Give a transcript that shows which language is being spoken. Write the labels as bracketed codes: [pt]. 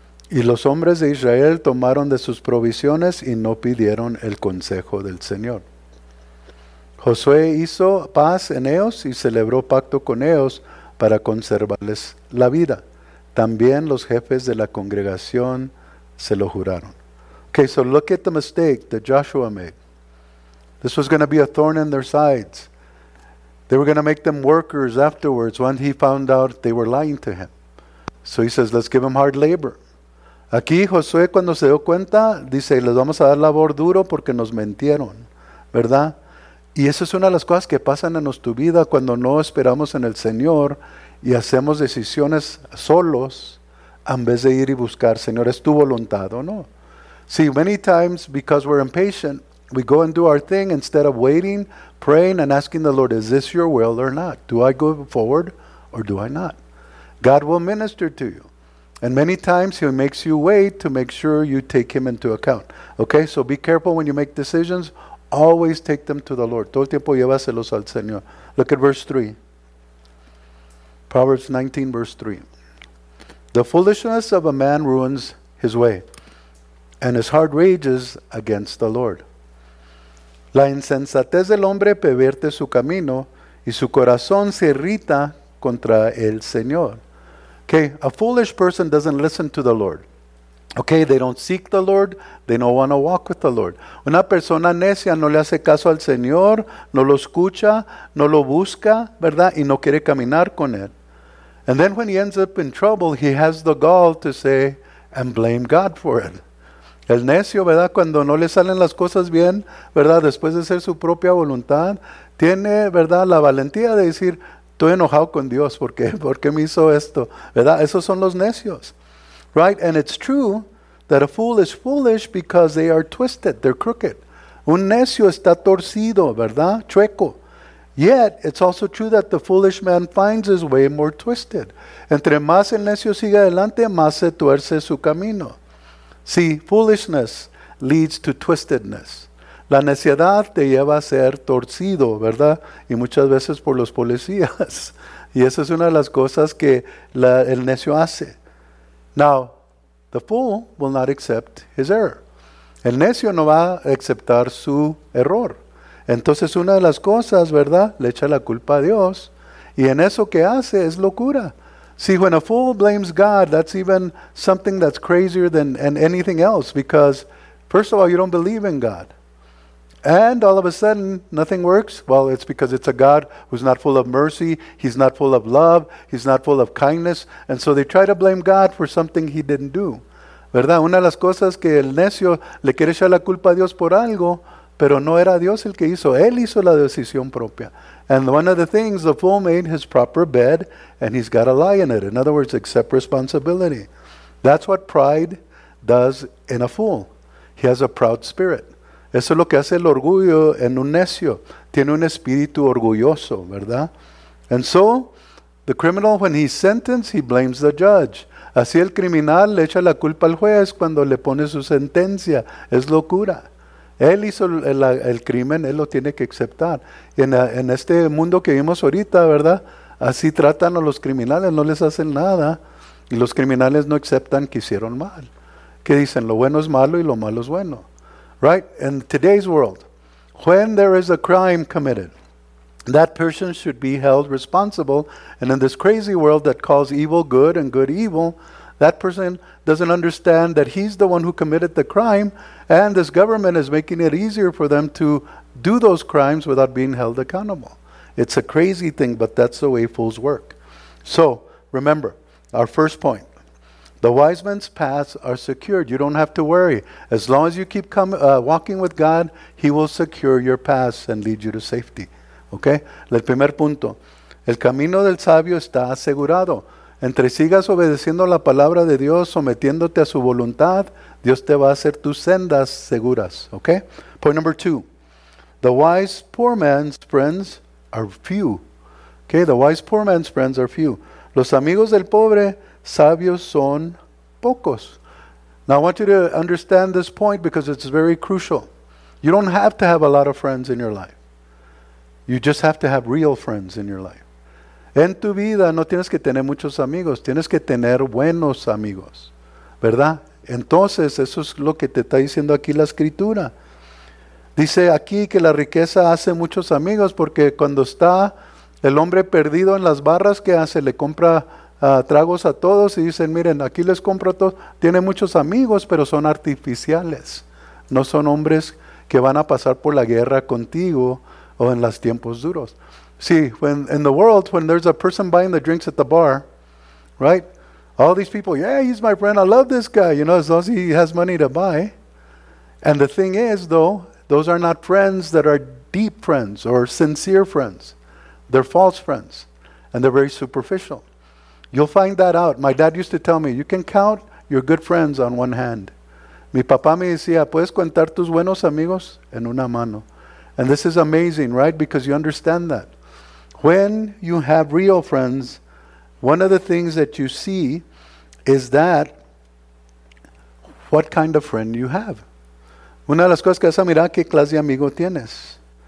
[es] Y los hombres de Israel tomaron de sus provisiones y no pidieron el consejo del Señor. Josué hizo paz en ellos y celebró pacto con ellos para conservarles la vida. También los jefes de la congregación se lo juraron. [en] Okay, so look at the mistake that Joshua made. This was going to be a thorn in their sides. They were going to make them workers afterwards when he found out they were lying to him. So he says, let's give them hard labor. [es] Aquí Josué, cuando se dio cuenta, dice, les vamos a dar labor duro porque nos mintieron, ¿verdad? Y esa es una de las cosas que pasan en nuestra vida cuando no esperamos en el Señor y hacemos decisiones solos, en vez de ir y buscar, Señor, es tu voluntad o no. [en] See, many times, because we're impatient, we go and do our thing instead of waiting, praying and asking the Lord, is this your will or not? Do I go forward or do I not? God will minister to you. And many times, he makes you wait to make sure you take him into account. Okay, so be careful when you make decisions. Always take them to the Lord. [es] Todo el tiempo llévaselos al Señor. [en] Look at verse 3. Proverbs 19, verse 3. The foolishness of a man ruins his way, and his heart rages against the Lord. [es] La insensatez del hombre pervierte su camino, y su corazón se irrita contra el Señor. [en] Okay, a foolish person doesn't listen to the Lord. Okay, they don't seek the Lord, they don't want to walk with the Lord. [es] Una persona necia no le hace caso al Señor, no lo escucha, no lo busca, ¿verdad? Y no quiere caminar con él. [en] And then when he ends up in trouble, he has the gall to say and blame God for it. [es] El necio, ¿verdad? Cuando no le salen las cosas bien, ¿verdad? Después de hacer su propia voluntad, tiene, ¿verdad? La valentía de decir, estoy enojado con Dios, ¿por qué me hizo esto? ¿Verdad? Esos son los necios. [en] Right? And it's true that a fool is foolish because they are twisted, they're crooked. [es] Un necio está torcido, ¿verdad? Chueco. [en] Yet, it's also true that the foolish man finds his way more twisted. [es] Entre más el necio sigue adelante, más se tuerce su camino. [en] See, foolishness leads to twistedness. [es] La necedad te lleva a ser torcido, ¿verdad? Y muchas veces por los policías. Y esa es una de las cosas que el necio hace. [en] Now, the fool will not accept his error. [es] El necio no va a aceptar su error. Entonces una de las cosas, ¿verdad? Le echa la culpa a Dios. Y en eso que hace es locura. [en] See, when a fool blames God, that's even something that's crazier than anything else. Because, first of all, you don't believe in God. And all of a sudden, nothing works. Well, it's because it's a God who's not full of mercy. He's not full of love. He's not full of kindness. And so they try to blame God for something he didn't do. [es] ¿Verdad? Una de las cosas que el necio le quiere echar la culpa a Dios por algo, pero no era Dios el que hizo, él hizo la decisión propia. [en] And one of the things, the fool made his proper bed and he's got a lie in it. In other words, accept responsibility. That's what pride does in a fool. He has a proud spirit. [es] Eso es lo que hace el orgullo en un necio. Tiene un espíritu orgulloso, ¿verdad? [en] And so, the criminal, when he's sentenced, he blames the judge. [es] Así el criminal le echa la culpa al juez cuando le pone su sentencia. Es locura. Él hizo el crimen, él lo tiene que aceptar. Y en este mundo que vivimos ahorita, ¿verdad? Así tratan a los criminales, no les hacen nada. Y los criminales no aceptan que hicieron mal. Que dicen, lo bueno es malo y lo malo es bueno. [en] Right? In today's world, when there is a crime committed, that person should be held responsible. And in this crazy world that calls evil good and good evil, that person doesn't understand that he's the one who committed the crime, and this government is making it easier for them to do those crimes without being held accountable. It's a crazy thing, but that's the way fools work. So, remember, our first point. The wise men's paths are secured. You don't have to worry. As long as you keep walking with God, He will secure your paths and lead you to safety. [es] Okay? El primer punto. El camino del sabio está asegurado. Entre sigas obedeciendo la palabra de Dios, sometiéndote a su voluntad, Dios te va a hacer tus sendas seguras. [en] Okay? Point number two. The wise poor man's friends are few. Okay? The wise poor man's friends are few. [es] Los amigos del pobre sabios son pocos. [en] Now I want you to understand this point because it's very crucial. You don't have to have a lot of friends in your life. You just have to have real friends in your life. [es] En tu vida no tienes que tener muchos amigos, tienes que tener buenos amigos, ¿verdad? Entonces, eso es lo que te está diciendo aquí la escritura. Dice aquí que la riqueza hace muchos amigos porque cuando está el hombre perdido en las barras, ¿qué hace? Le compra tragos a todos y dicen, miren, aquí les compro a todos. Tiene muchos amigos, pero son artificiales. No son hombres que van a pasar por la guerra contigo o en los tiempos duros. [en] See, when in the world, when there's a person buying the drinks at the bar, right? All these people, yeah, he's my friend. I love this guy. You know, as long as he has money to buy. And the thing is, though, those are not friends that are deep friends or sincere friends. They're false friends, and they're very superficial. You'll find that out. My dad used to tell me, you can count your good friends on one hand. [es] Mi papá me decía, puedes contar tus buenos amigos en una mano. [en] And this is amazing, right? Because you understand that. When you have real friends, one of the things that you see is that what kind of friend you have. [es] Una de las cosas que vas a mirar, ¿qué clase de amigo tienes?